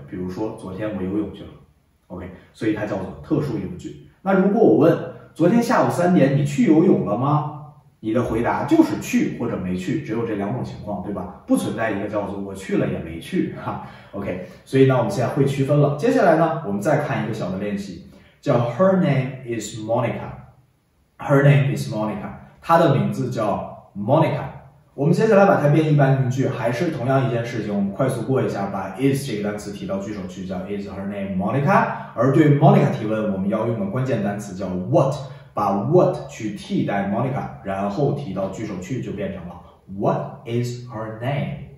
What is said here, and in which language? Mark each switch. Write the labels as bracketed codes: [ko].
[zh] 比如说，昨天我游泳去了。OK， 所以它叫做特殊疑问句。那如果我问，昨天下午三点你去游泳了吗？你的回答就是去或者没去，只有这两种情况，对吧？不存在一个叫做我去了也没去哈。OK， 所以呢，我们现在会区分了。接下来呢，我们再看一个小的练习，叫 [en] Her name is Monica。 Her name is Monica， [zh] 她的名字叫 Monica。我们接下来把它变一般名句，还是同样一件事情，我们快速过一下，把 is 这个单词提到句首去，叫 [en] Is her name Monica？ [zh] 而对 Monica 提问，我们要用的关键单词叫 What。把 what 去替代 Monica， 然后提到句首去，就变成了 [en] What is her name？